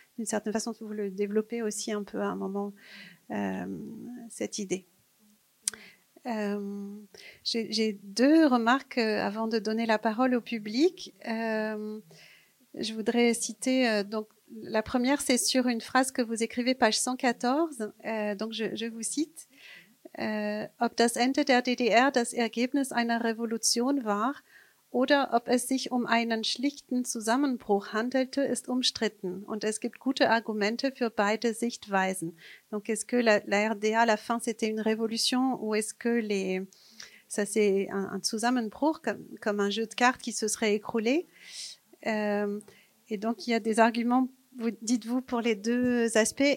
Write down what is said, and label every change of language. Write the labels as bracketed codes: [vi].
[fr] D'une certaine façon, vous le développez aussi un peu à un moment, cette idée. J'ai deux remarques avant de donner la parole au public. Je voudrais citer, la première, c'est sur une phrase que vous écrivez, page 114. Je vous cite. [de] « Ob das Ende der DDR das Ergebnis einer Revolution war oder ob es sich um einen schlichten Zusammenbruch handelte, ist umstritten. Und es gibt gute Argumente für beide Sichtweisen. [fr] Donc, est-ce que la RDA, la fin, c'était une révolution, ou est-ce que ça c'est un Zusammenbruch, comme un jeu de cartes qui se serait écroulé? Et donc, il y a des arguments, dites-vous, pour les deux aspects.